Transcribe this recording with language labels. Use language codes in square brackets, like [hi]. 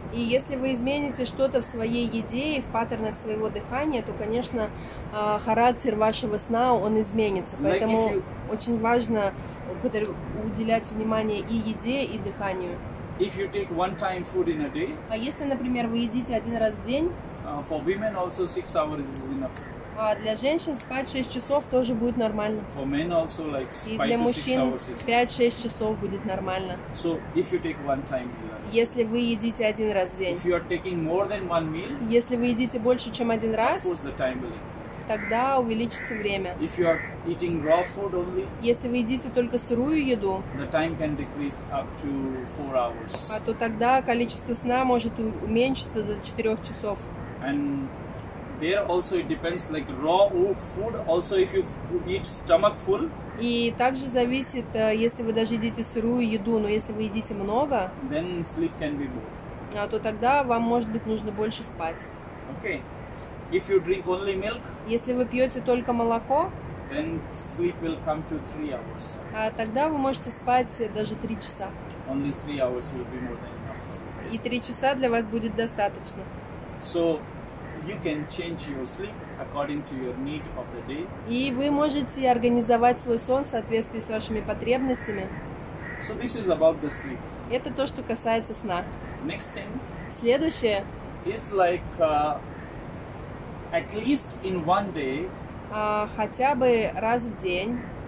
[ru] И если вы измените что-то в своей еде и в паттернах своего дыхания, то, конечно, характер вашего сна, он изменится. Поэтому очень важно уделять внимание и еде, и дыханию. [en] If you take one time food in a day, [ru] а если, например, вы едите один раз в день, [en] For women also 6 hours is enough. [ru] А для женщин спать 6 часов тоже будет нормально. [en] For men also like 5 to 6 hours. [ru] И для мужчин 5-6 часов будет нормально. [en] So if you take one time meal. [ru] Если вы едите один раз в день. [en] If you are taking more than one meal. [ru] Если вы едите больше, чем один раз. [en] Of course the time will increase. [ru] Тогда увеличится время. [en] If you are eating raw food only. [ru] Если вы едите только сырую еду. [en] The time can decrease up to 4 hours. [ru] А то тогда количество сна может уменьшиться до 4 часов. [en] And there also it depends like raw food also if you eat stomach full. [ru] И также зависит, если вы даже едите сырую еду, но если вы едите много. [en] Then sleep can be more. [ru] А то тогда вам может быть нужно больше спать. [en] Okay. If you drink only milk. [ru] Если вы пьете только молоко. [en] Then sleep will come to 3 hours. [ru] А тогда вы можете спать даже 3 часа. [en] Only 3 hours will be more than enough. [ru] И 3 часа для вас будет достаточно. [en] So. You can change your sleep according to your need of the day. [ru] И вы можете организовать свой сон в соответствии с вашими потребностями. [en] So this is about the sleep. [ru] Это то, что касается сна. [en] Next thing. [ru] Следующее. [en] Is like at least in one day. [ru] Хотя бы раз в день.